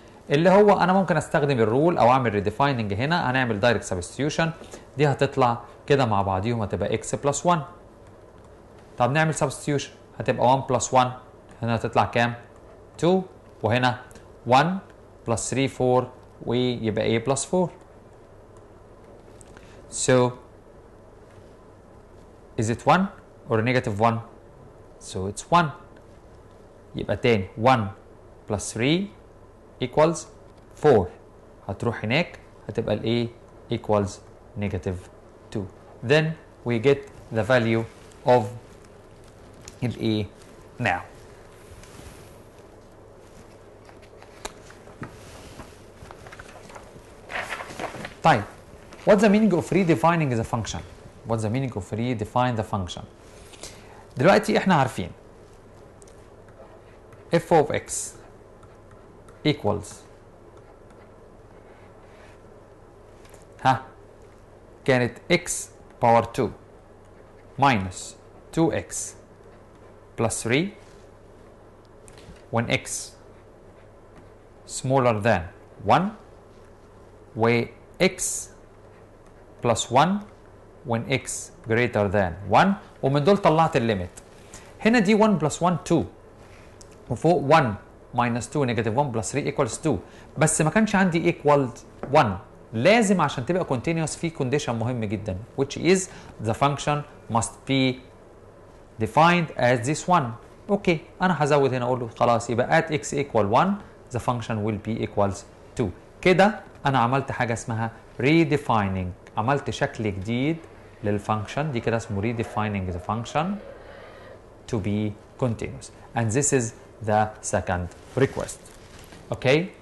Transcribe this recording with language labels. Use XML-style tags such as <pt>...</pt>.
<ar>اللي هو انا ممكن استخدم الرول او اعمل ريديفايننج هنا، هنعمل دايركت سبستيوشن، دي هتطلع كده مع بعضيهم هتبقى x plus 1. طب نعمل سبستيوشن هتبقى 1 plus 1 هنا هتطلع كام؟ 2، وهنا 1 plus 3 4 ويبقى a plus 4.</ar> <en>So is it 1 or negative 1؟ So it's 1.</en> <ar>يبقى تاني 1 plus 3 equals 4، هتروح هناك هتبقى الـ</ar> <en>a equals negative 2. Then we get the value of الـ a now. طيب what's the meaning of redefining the function؟ what's the meaning of redefine the function؟</en> <ar>دلوقتي احنا عارفين</ar> <en>f of x equals</en> <ar>ها كانت</ar> <en>x power 2 minus 2x plus 3 when x smaller than 1 way x plus 1 when x greater than 1.</en> <ar>ومن دول طلعت الليمت هنا دي 1 plus 1 2 وفوق 1 minus 2 negative 1 plus 3 equals 2، بس ما كانش عندي equal 1. لازم عشان تبقى</ar> <en>continuous في condition</en> <ar>مهم جدا</ar> <en>which is the function must be defined as this one.</en> <ar>اوكي انا هزود هنا اقول له خلاص يبقى</ar> <en>at x equal 1 the function will be equals 2.</en> <ar>كده انا عملت حاجة اسمها redefining، عملت شكل جديد لل function، دي كده اسمه</ar> <en>redefining the function to be continuous and this is the second request. Okay?</en>